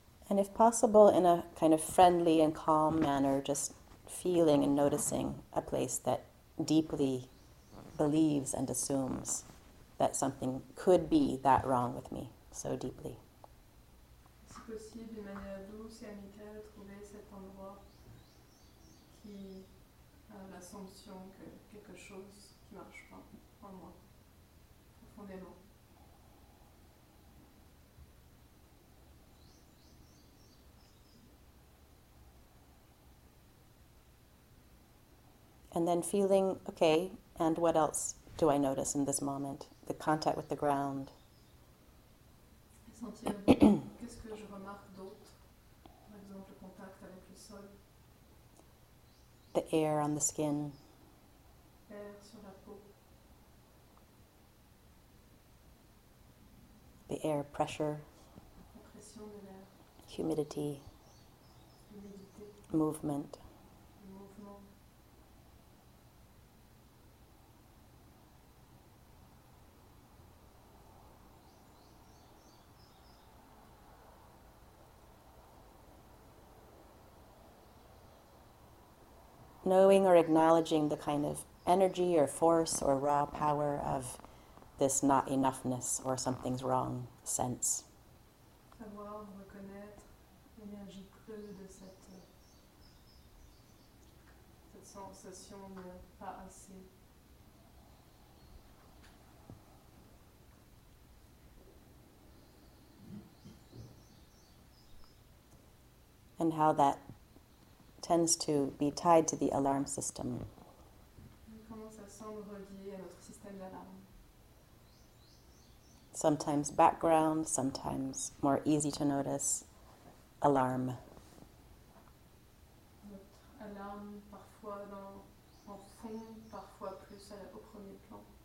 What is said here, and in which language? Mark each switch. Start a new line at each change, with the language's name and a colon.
English: And if possible, in a kind of friendly and calm manner, just feeling and noticing a place that deeply believes and assumes that something could be that wrong with me so deeply.
French: Si possible, d'une manière douce et amicale, trouver cet endroit qui a l'assumption que quelque chose qui marche pas en moi. profondément.
English: And then feeling, okay, and what else do I notice in this moment? The contact with the ground.
French: Sentir qu'est-ce que je remarque d'autre, par exemple le contact avec le sol,
English: the air on the skin,
French: l'air sur la peau,
English: the air pressure,
French: la pression de l'air,
English: humidity,
French: l'humidité,
English: movement. Knowing or acknowledging the kind of energy or force or raw power of this not enoughness or something's wrong sense.
French: Savoir reconnaître l'énergie creuse de cette, cette sensation de pas assez.
English: And how that tends to be tied to the alarm system.
French: Comment ça semble relié à notre système d'alarme?
English: Sometimes background, sometimes more easy to notice, alarm.
French: Notre alarme parfois dans, en fond, parfois plus à, au premier plan.